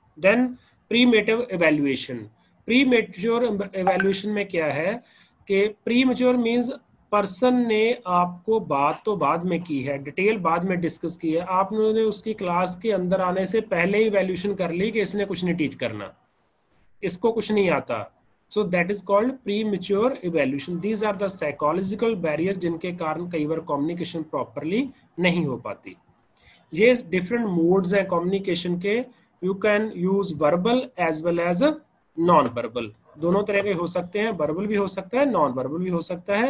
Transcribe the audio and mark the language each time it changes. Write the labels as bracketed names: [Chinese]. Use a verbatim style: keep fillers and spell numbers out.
[Hindi] Then premature evaluation. Premature evaluation में क्या है कि प्रीमेच्योर मींस पर्सन ने आपको बात तो बाद में की है, डिटेल बाद में डिस्कस की है, आपने उसकी क्लास के अंदर आने से पहले ही इवैल्यूएशन कर ली कि इसने कुछ नहीं टीच करना, इसको कुछ नहीं आता। [English] So that is called premature evaluation. These are the psychological barrier [Hindi] जिनके कारण कई बार communication properly नहीं हो पाती। ये different modes हैं communication के, [English] you can use verbal as well as non-verbal, [Hindi] दोनों तरह के हो सकते हैं, verbal भी हो सकता है, non-verbal भी हो सकता है।